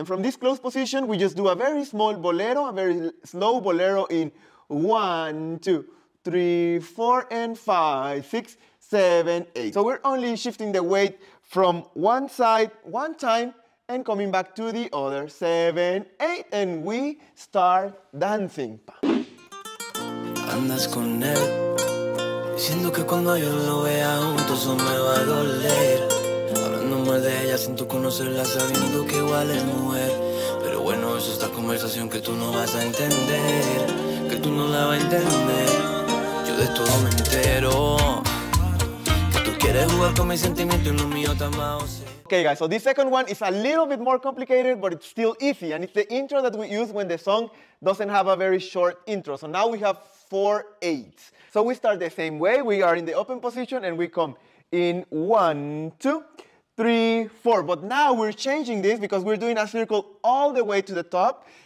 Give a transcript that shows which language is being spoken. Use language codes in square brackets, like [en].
[en] And from this close position, we just do a very small bolero, a very slow bolero in 1, 2, 3, 4, and 5, 6, 7, 8. So we're only shifting the weight from one side one time and coming back to the other. 7, 8, and we start dancing. [es] Andas con él, diciendo que cuando yo lo vea junto eso me va a doler. De ella siento conocerla sabiendo que igual es mujer, pero bueno, es esta conversación que tú no vas a entender, que tú no la vas a entender. Yo de todo me entero, que tú quieres jugar con mis sentimientos y lo mío está más. [en] Okay guys, so this second one is a little bit more complicated, but it's still easy, and it's the intro that we use when the song doesn't have a very short intro. So now we have 4/8. So we start the same way, we are in the open position and we come in 1, 2, 3, 4, but now we're changing this because we're doing a circle all the way to the top.